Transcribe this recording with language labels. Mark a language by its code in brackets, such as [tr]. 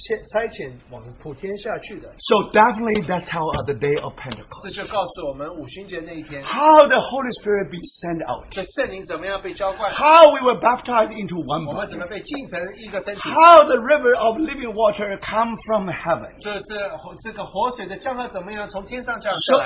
[zh] 有七角七眼就是神的七灵奉差遣往普天下去的。 [en] So definitely that's how of the day of Pentecost. [zh] 这就告诉我们五旬节那一天。 [en] How the Holy Spirit be sent out. [zh] 这圣灵怎么样被浇灌。 [en] How we were baptized into one body. [zh] 我们怎么被浸成一个身体。 [en] How the river of living water come from heaven. [zh] 这个活水的降下怎么样从天上降下来。